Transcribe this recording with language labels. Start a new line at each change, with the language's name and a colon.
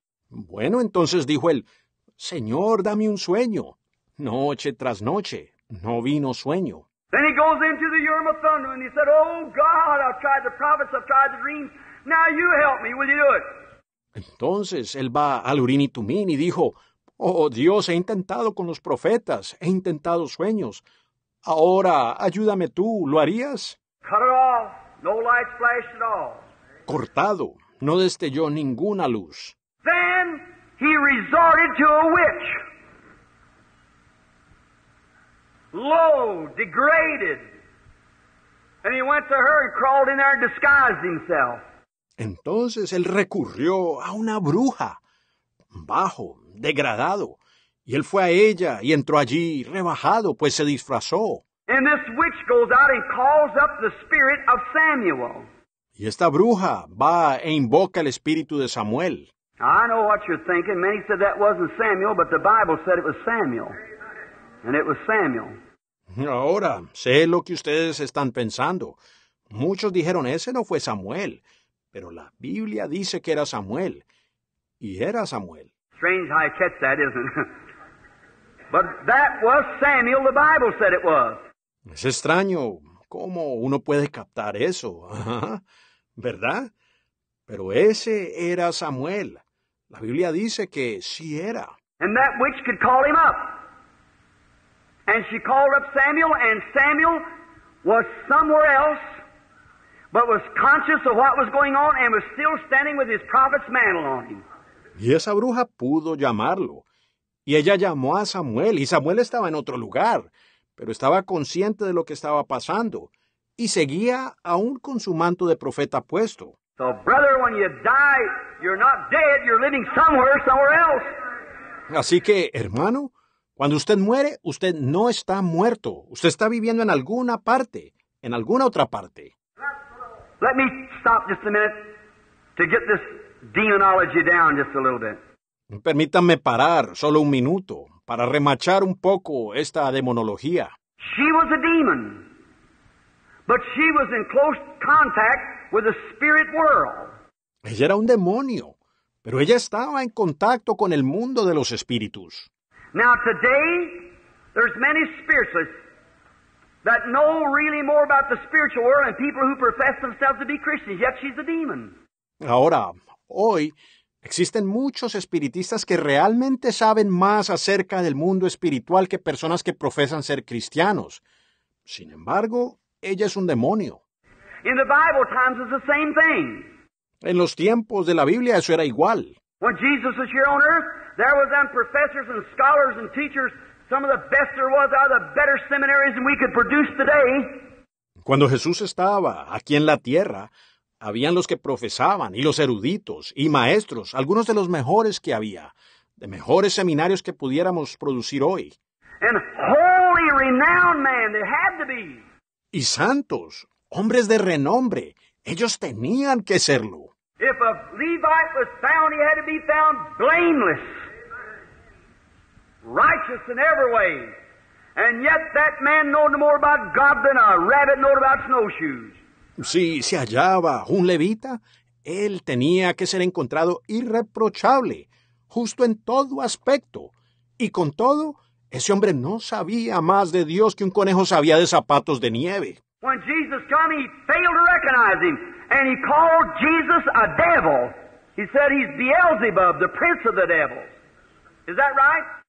Spanish: Bueno, entonces dijo él, Señor, dame un sueño. Noche tras noche, no vino sueño.
English: Then he goes into the Urim of Thunder and he said, oh God, I've tried the prophets, I've tried the dreams. Now you help me, will you do it?
Spanish: Entonces él va al Urim y Tumim y dijo, oh Dios, he intentado con los profetas, he intentado sueños. Ahora, ayúdame tú, ¿lo harías?
English: Cut it off. No light flashed at all.
Spanish: Cortado, no destelló ninguna luz.
English: Then he resorted to a witch. Low, degraded. And he went to her and crawled in there and disguised himself.
Spanish: Entonces él recurrió a una bruja, bajo, degradado. Y él fue a ella y entró allí, rebajado, pues se disfrazó.
English: And this witch goes out and calls up the spirit of Samuel.
Spanish: Y esta bruja va e invoca el espíritu de Samuel.
English: I know what you're thinking. Many said that wasn't Samuel, but the Bible said it was Samuel. And it was Samuel.
Spanish: Ahora, sé lo que ustedes están pensando. Muchos dijeron, ese no fue Samuel. Pero la Biblia dice que era Samuel. Y era Samuel.
English: Strange how I catch that, isn't it? But that was Samuel, the Bible said it was.
Spanish: Es extraño cómo uno puede captar eso, ¿verdad? Pero ese era Samuel. La Biblia dice que sí era.
English: And that witch could call him up. And she called up Samuel, and Samuel was somewhere else, but was conscious of what was going on and was still standing with his prophet's mantle on him.
Spanish: Y esa bruja pudo llamarlo. Y ella llamó a Samuel, y Samuel estaba en otro lugar, pero estaba consciente de lo que estaba pasando, y seguía aún con su manto de profeta puesto.
English: So, brother, when you die, you're not dead, you're living somewhere else.
Spanish: Así que, hermano, cuando usted muere, usted no está muerto. Usted está viviendo en alguna parte, en alguna otra parte.
English: Let me stop just a minute to get this demonology down just a little bit.
Spanish: Permítanme parar solo un minuto para remachar un poco esta demonología.
English: She was a demon, but she was in close contact with the spirit world.
Spanish: Ella era un demonio, pero ella estaba en contacto con el mundo de los espíritus.
English: Now today, there's many spiritualists that know really more about the spiritual world than people who profess themselves to be Christians, yet she's a demon.
Spanish: Ahora, hoy, existen muchos espiritistas que realmente saben más acerca del mundo espiritual que personas que profesan ser cristianos. Sin embargo, ella es un demonio.
English: In the Bible times, it's the same thing.
Spanish: En los tiempos de la Biblia, eso era igual.
English: When Jesus was here on earth, there was them professors and scholars and teachers, some of the best there was out of the better seminaries than we could produce today.
Spanish: Cuando Jesús estaba aquí en la tierra, habían los que profesaban, y los eruditos, y maestros, algunos de los mejores que había, de mejores seminarios que pudiéramos producir hoy.
English: And holy, renowned men, they had to be.
Spanish: Y santos, hombres de renombre, ellos tenían que serlo.
English: If a Levite was found, he had to be found blameless, righteous in every way. And yet that man knew no more about God than a rabbit knows about snowshoes.
Spanish: Si se hallaba un levita, él tenía que ser encontrado irreprochable, justo en todo aspecto. Y con todo, ese hombre no sabía más de Dios que un conejo sabía de zapatos de nieve.
English: When Jesus came, he failed to recognize him. And he called Jesus a devil. He said he's Beelzebub, the prince of the devils. Is that right?